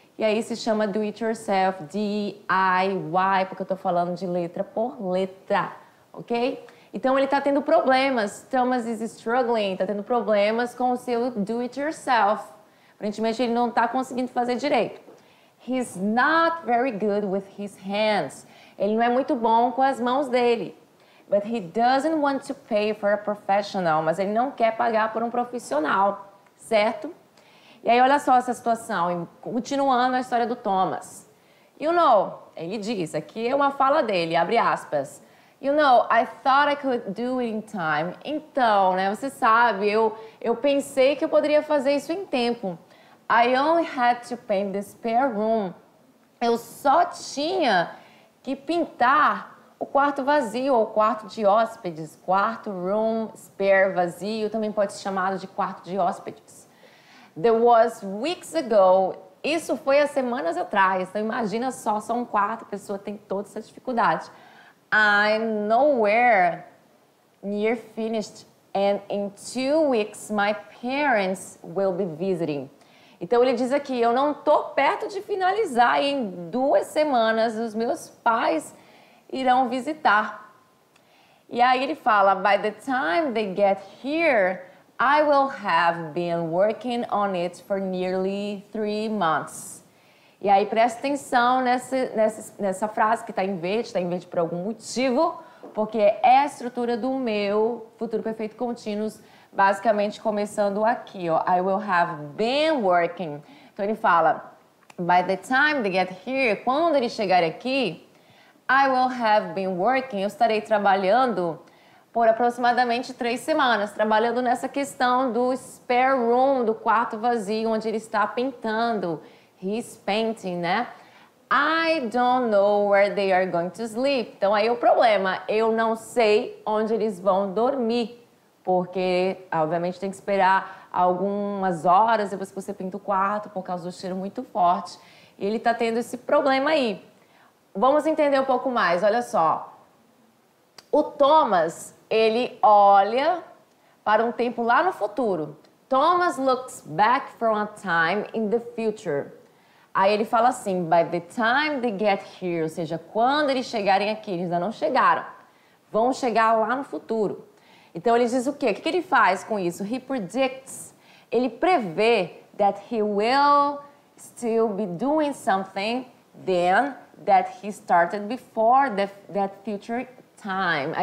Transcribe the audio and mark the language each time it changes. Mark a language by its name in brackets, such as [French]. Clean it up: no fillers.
[Portuguese] E aí se chama [English] do it yourself, [Portuguese] DIY, porque eu tô falando de letra por letra, ok? Então ele tá tendo problemas, [English] Thomas is struggling, [Portuguese] tá tendo problemas com o seu do it yourself. Aparentemente ele não tá conseguindo fazer direito. [English] He's not very good with his hands. [Portuguese] Ele não é muito bom com as mãos dele. [English] But he doesn't want to pay for a professional. [Portuguese] Mas ele não quer pagar por um profissional, certo? E aí, olha só essa situação, continuando a história do Thomas. [English] You know, [Portuguese] ele diz, aqui é uma fala dele, abre aspas. [English] You know, I thought I could do it in time. [Portuguese] Então, né, você sabe, eu pensei que eu poderia fazer isso em tempo. [English] I only had to paint the spare room. [Portuguese] Eu só tinha que pintar o quarto vazio, ou quarto de hóspedes. Quarto, room, spare, vazio, também pode ser chamado de quarto de hóspedes. [English] There was weeks ago, [Portuguese] isso foi há semanas atrás, então imagina só um quarto, a pessoa tem toda essa dificuldade. [English] I'm nowhere near finished and in 2 weeks my parents will be visiting. [Portuguese] Então ele diz aqui, eu não tô perto de finalizar e em 2 semanas os meus pais irão visitar. E aí ele fala, [English] by the time they get here, I will have been working on it for nearly 3 months. [Portuguese] E aí, presta atenção nessa frase que está em verde por algum motivo. porque é a estrutura do meu Futuro Perfeito Contínuos, basicamente começando aqui, ó. [English] I will have been working. [Portuguese] Então ele fala, [English] by the time they get here, [Portuguese] quando ele chegar aqui, [English] I will have been working, [Portuguese] eu estarei trabalhando por aproximadamente 3 semanas, trabalhando nessa questão do spare room, do quarto vazio, onde ele está pintando. [English] He's painting, né? I don't know where they are going to sleep. [Portuguese] Então, aí o problema, eu não sei onde eles vão dormir, porque, obviamente, tem que esperar algumas horas depois que você pinta o quarto, por causa do cheiro muito forte. E ele está tendo esse problema aí. Vamos entender um pouco mais, olha só. O Thomas, ele olha para um tempo lá no futuro. [English] Thomas looks back from a time in the future. [Portuguese] Aí ele fala assim, [English] by the time they get here, [Portuguese] ou seja, quando eles chegarem aqui, eles ainda não chegaram, vão chegar lá no futuro. Então ele diz o quê? O que ele faz com isso? [English] He predicts, [Portuguese] ele prevê [English] that he will still be doing something then that he started before that future time.